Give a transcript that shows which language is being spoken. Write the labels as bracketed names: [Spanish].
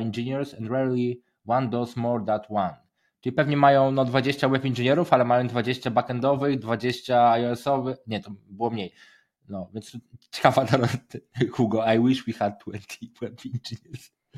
[English] engineers and rarely one does more than one. [Polish] Czyli pewnie mają no 20 web inżynierów, ale mają 20 backendowych, 20 iOS-owych. Nie, to było mniej. No, więc ciekawa ta Hugo, [English] I wish we had 20 web engineers.